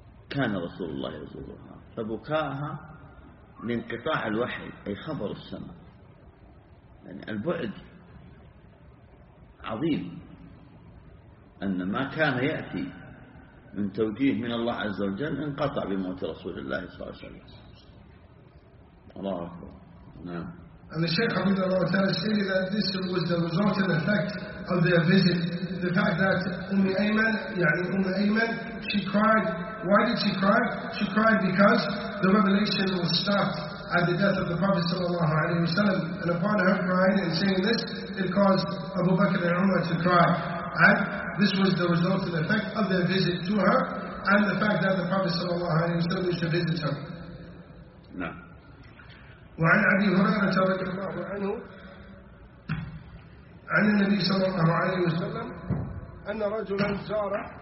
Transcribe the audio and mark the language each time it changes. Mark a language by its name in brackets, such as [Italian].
[Arabic] كان رسول الله يزورها، فبكاها لانقطاع الوحي أي خبر السماء، يعني البعد عظيم أن ما كان يأتي من توجيه من الله عز وجل انقطع بموت رسول الله صلى الله عليه وسلم. الله أكبر. نعم. [English] And the Shaykh Abu Dawud Ta'ala stated that this was the result and effect of their visit. The fact that Umm Ayman, she cried. Why did she cry? She cried because the revelation was stopped at the death of the Prophet sallallahu alaihi wasallam. And upon her crying and saying this, it caused Abu Bakr and Umar to cry. And this was the result and effect of their visit to her and the fact that the Prophet sallallahu alaihi wasallam used to visit her. No. [Arabic] وعن أبي هريرة رضي الله عنه عن النبي صلى الله عليه وسلم أن رجلا زار